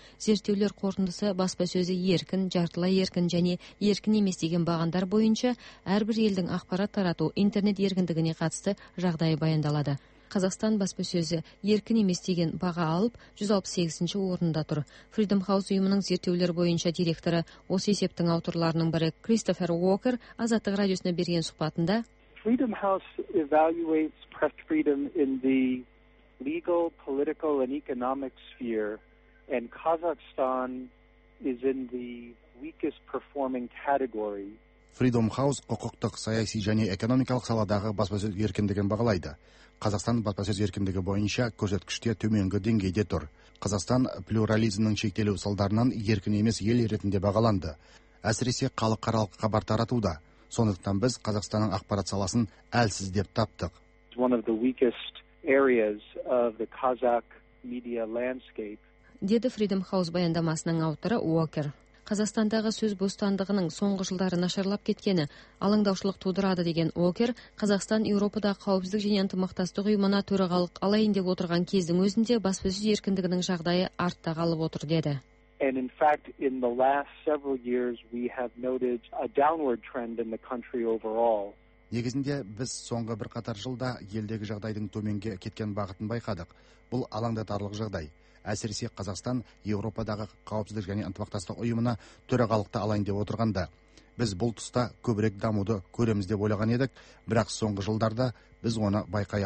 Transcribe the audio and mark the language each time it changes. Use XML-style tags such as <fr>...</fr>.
<kk>Зерттеулер қорытындысы баспасөзі еркін, жартылай еркін және еркін емес деген бағандар бойынша әрбір елдің ақпарат тарату интернет еркіндігіне қатысты жағдайы баяндалады. Қазақстан баспасөзі еркін емес деген баға алып 168-ші орында тұр. Freedom House ұйымының зерттеулер бойынша директоры, осы есептің авторларының бірі Кристофер Уокер Азаттық радиосына берген сұхбатында</kk> <en>Freedom House evaluates press freedom in the legal, political and economic sphere and Kazakhstan is in the weakest performing category.</en> <kk>Freedom House құқықтық, саяси және экономикалық саладағы баспасөз еркіндігін бағалайды. Қазақстан баспасөз еркіндігі бойынша көрсеткіште төменгі деңгейде тұр. Қазақстан плюрализмнің шектелу салдарынан еркін емес ел ретінде бағаланды. Әсіресе халықаралық хабар таратуда. Сондықтан біз Қазақстанның ақпарат саласын әлсіз деп таптық.</kk> <en>One of the weakest areas of the Kazakh media landscape.</en> <kk>Деді Freedom House баяндамасының авторы Уокер. Қазақстандағы сөз бостандығының соңғы жылдары нашарлап кеткені алаңдаушылық тудырады деген Уокер, Қазақстан Еуропада қауіпсіздік және ынтымақтастық ұйымына төрағалық алайын деп отырған кездің өзінде баспасөз еркіндігінің жағдайы артта қалып отыр деді.</kk> <en>And in fact, in the last several years we have noted a downward trend in the country overall.</en> <kk>Негізінде біз соңғы бірқатар жылда елдегі жағдайдың төменге кеткен бағытын байқадық. Бұл алаңдатарлық жағдай. Әсіресе Қазақстан Еуропадағы қауіпсіздік және ынтымақтастық ұйымына төрағалықты алайын деп отырғанда, біз бұл тұста көбірек дамуды көреміз деп ойлаған едік, бірақ соңғы жылдарда біз оны байқай</kk>